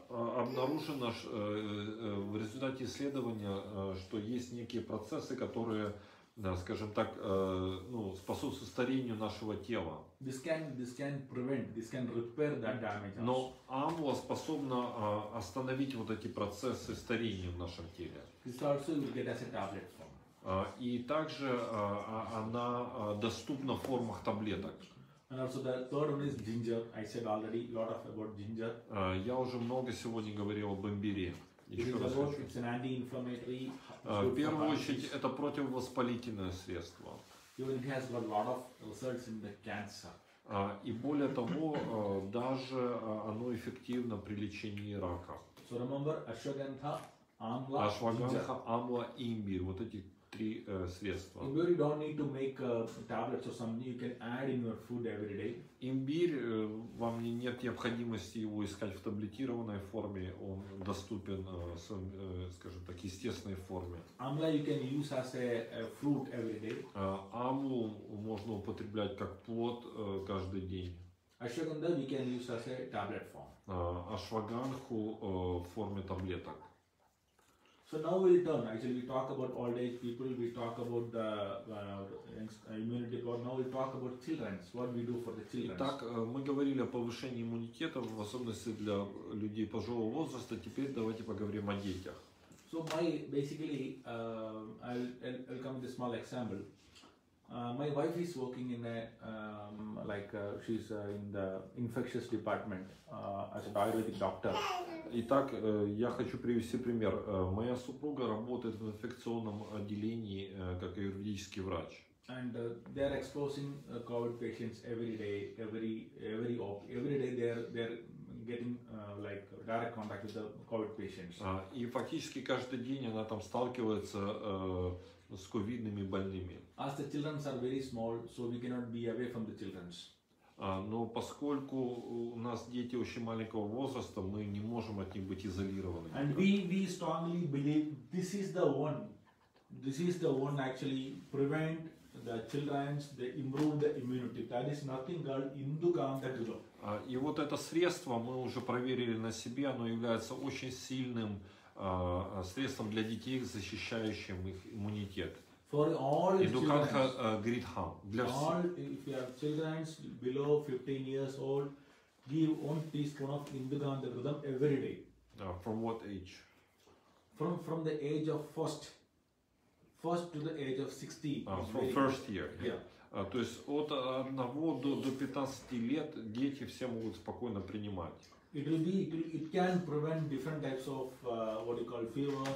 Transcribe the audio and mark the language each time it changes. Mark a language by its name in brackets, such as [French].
[Russian] обнаружено в результате исследования что есть некие процессы которые скажем так способствуют старению нашего тела. [English] This can prevent, this can repair that damage. [Russian] Но амла способна остановить вот эти процессы старения в нашем теле. [English] This also you get as a tablet form. [Russian] И также она доступна в формах таблеток. [English] And also the third one is ginger. I said already a lot of about ginger. [Russian] Я уже много сегодня говорил об имбире. [English] It's an anti-inflammatory. [Russian] В первую очередь это противовоспалительное средство. [English] Even it has got a lot of results in the cancer. [Russian] И более того, даже оно эффективно при лечении рака. [English] So remember ashwagandha, amla, [Russian] ashwagandha, amla, imbir. Вот эти три средства. [English] Imbir you don't need to make tablets or something. You can add in your food every day. [Russian] Имбирь вам нет необходимости его искать в таблетированной форме. Он доступен, скажем так, естественной форме. [English] Amla you can use as a fruit every day. [Russian] Амлу можно употреблять как плод каждый день. [English] Ashwagandha you can use as a tablet form. [Russian] Ашваганху в форме таблеток. [English] So now we'll turn. Actually, we talk about old age people. We talk about the immunity. But now we'll talk about children. What we do for the children. [Russian] Итак, мы говорили о повышении иммунитета, в особенности для людей пожилого возраста. Теперь давайте поговорим о детях. [English] So basically, I'll come with a small example. My wife is working in a she's in the infectious department as an Ayurvedic doctor. [Russian] Итак, я хочу привести пример. Моя супруга работает в инфекционном отделении как аюрведический врач. [English] And they are exposing COVID patients every day, every day they're getting direct contact with the COVID patients. [Russian] И фактически каждый день она там сталкивается с ковидными больными. [English] As the children are very small, so we cannot be away from the children. [Russian] Но поскольку у нас дети очень маленького возраста, мы не можем от них быть изолированы. [English] And we strongly believe this is the one actually prevent the children's, they improve the immunity. That is nothing called Indukam that do. [Russian] И вот это средство мы уже проверили на себе, оно является очень сильным средством для детей, защищающим их иммунитет. [English] For all Indukantha Gridham. If you have children below 15 years old, give one teaspoon of Indukantha Gridham every day. From what age? From the age of first to the age of 60. From first year. [Russian] То есть от 1 до 15 лет дети все могут спокойно принимать. [English] It can prevent different types of what you call fevers.